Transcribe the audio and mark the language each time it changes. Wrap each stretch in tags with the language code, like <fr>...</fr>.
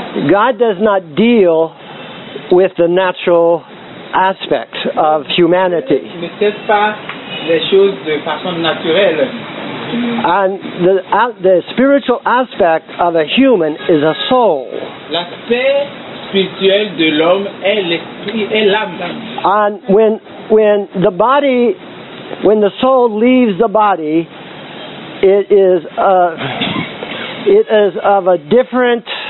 <en>God does not deal with the natural aspect of humanity. And the spiritual aspect of a human is a soul.</en> <fr>L'aspect spirituel de l'homme est l'esprit, est l'âme.</fr> <en>And when the soul leaves the body, it is of a different.</en>